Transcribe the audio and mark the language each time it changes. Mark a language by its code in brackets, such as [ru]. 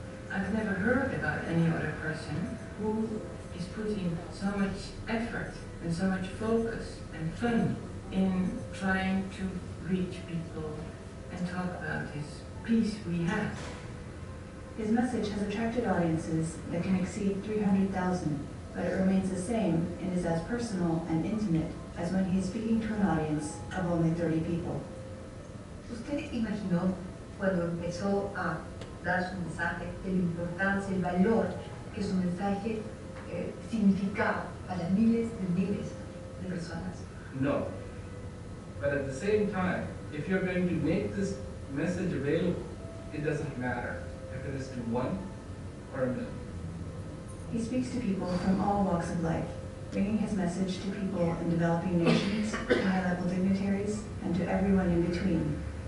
[en] I've never heard about any other person who is putting so much effort and so much focus and fun in trying to reach people and talk about this peace we have. His message has attracted audiences that can exceed 300,000. But it remains the same and is as personal and intimate as when he is speaking to an audience of only 30 people. [es] ¿Usted imaginó cuando empezó a dar su mensaje la importancia, el valor que su mensaje significaba para miles y miles de personas? No. [en] But at the same time, if you're going to make this message available, it doesn't matter if it is to one or a million. He speaks to people from all walks of life, bringing his message to people in developing nations, high-level dignitaries, and to everyone in between.